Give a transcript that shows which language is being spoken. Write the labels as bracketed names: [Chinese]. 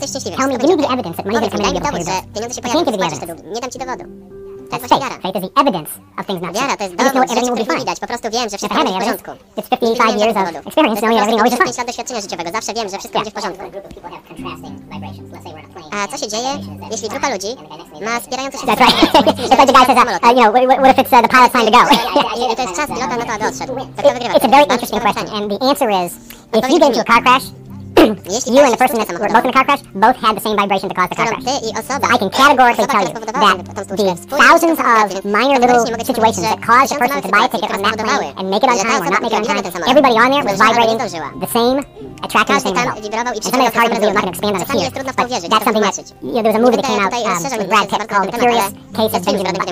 [English] Tell me, give me the evidence that money is coming in to pay your bills. I can't give you the evidence. That's faith. Faith is the evidence of things not seen. I just know everything will be fine. If I have any evidence, it's 55 years of experience knowing everything always is fine. Yeah. What happens when a group of people have contrasting vibrations? Let's say we're on a plane. [Polish] Jeśli grupa ludzi ma wspierające się... [English] That's right. It's like the guy says, what if it's the pilot's time to go? It's a very interesting question, and the answer is, if you get into a car crash, you and the person that were both in the car crash both had the same vibration that caused the car crash. So I can categorically tell you that the thousands of minor little situations that caused the person to buy a ticket on that plane and make it on time or not make it on time, everybody on there was vibrating the same, attracting the same result. And some of those hard to believe, I'm not going to expand on it here, but that's something that, there was a movie that came out with Brad Pitt called The Curious Case of Benjamin Button.